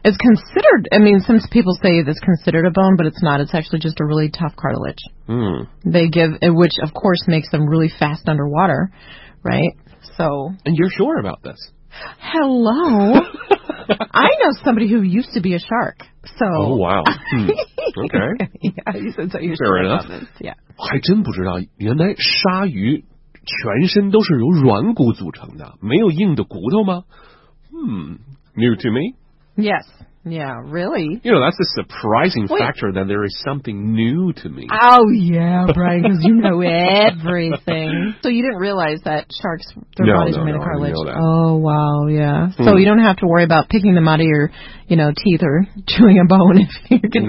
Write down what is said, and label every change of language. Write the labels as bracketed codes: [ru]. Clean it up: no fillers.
[en] It's considered, I mean, some people say it's considered a bone, but it's not. It's actually just a really tough cartilage. They give, which of course makes them really fast underwater, right? So. And you're sure about this? Hello. I know somebody who used to be a shark. So. Oh, wow. Okay. Yeah, so fair enough. Yeah. [zh] 还真不知道，原来鲨鱼全身都是由软骨组成的，没有硬的骨头吗？ [en] New to me? Yes. Yeah, really? You know, that's a surprising factor that there is something new to me. Oh, yeah, Brian, because you know everything. So you didn't realize that sharks, their bodies are made of cartilage. Oh, wow, yeah. So you don't have to worry about picking them out of your, you know, teeth or chewing a bone if you're getting